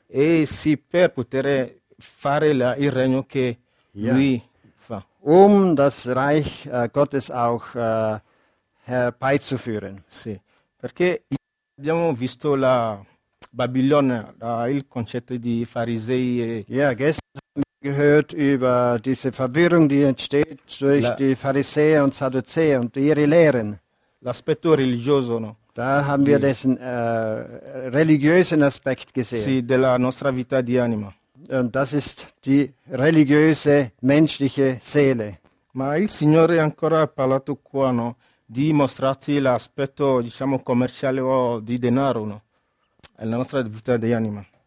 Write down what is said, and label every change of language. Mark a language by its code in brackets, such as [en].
[it] E sì, per poter fare il regno che lui fa. [de] Um das Reich Gottes auch herbeizuführen. [it] Sì, perché abbiamo visto la Babilonia, il concetto di farisei. [de] Ja, gestern haben wir gehört über diese Verwirrung, die entsteht durch die Pharisäer und Sadduzäer und ihre Lehren. [it] L'aspetto religioso, no? [de] Da haben wir diesen religiösen Aspekt gesehen. [it] Sì, della nostra vita di anima. [de] Und das ist die religiöse menschliche Seele. [it] Ma il Signore ancora ha parlato qua, no? Di mostrarti l'aspetto, diciamo, commerciale o di denaro, no? Nella nostra vita di anima.